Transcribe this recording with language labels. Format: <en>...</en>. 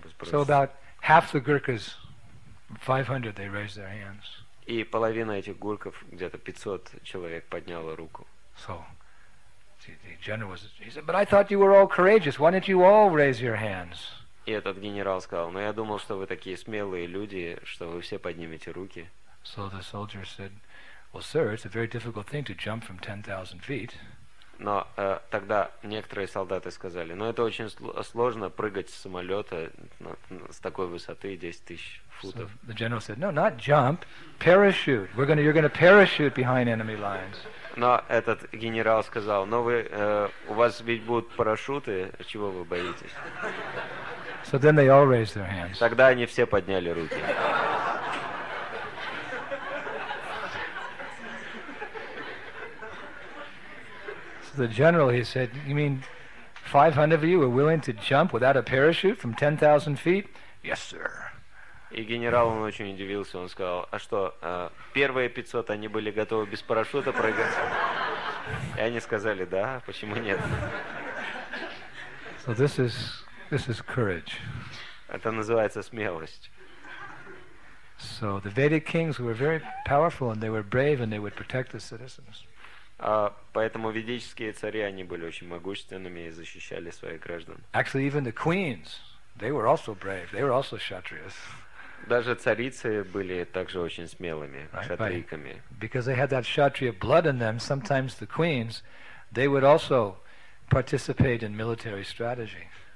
<en>So about half the Gurkhas, 500, they raised their hands.</en> <ru>И половина этих гурков, где-то 500 человек, подняла руку.</ru> <en>So the general was, he said, but I thought you were all courageous. Why didn't you all raise your hands?</en> <ru>И этот генерал сказал, но я думал, что вы такие смелые люди, что вы все поднимете руки.</ru> <en>So the soldier said, well, sir, it's a very difficult thing to jump from 10,000 feet.</en> <ru>Но тогда некоторые солдаты сказали, но это очень сложно прыгать с самолета с такой высоты 10 тысяч футов.</ru> <en>So the general said, no, not jump, parachute. You're going to parachute behind enemy lines.</en> <ru>Но этот генерал сказал, но вы, у вас ведь будут парашюты, чего вы боитесь?</ru> <en>So then they all raised their hands.</en> <ru>Тогда они все подняли руки.</ru> <en>So the general, he said, you mean 500 of you are willing to jump without a parachute from 10,000 feet? Yes, sir.</en> <ru>И генерал, он очень удивился, он сказал, а что, первые 500, они были готовы без парашюта прыгать? И они сказали, да, почему нет?</ru> <en>So this is courage.</en> <ru>Это называется смелость.</ru> <en>So the Vedic kings were very powerful and they were brave and they would protect the citizens.</en> <ru>Поэтому ведические цари, они были очень могущественными и защищали своих граждан.</ru> <en>Actually, even the queens, they were also brave, they were also kshatriyas.</en> <ru>Даже царицы были также очень смелыми, кшатрийками.</ru> <en>Because they had that kshatriya blood in them, sometimes the queens, they would also participate in military strategy.</en>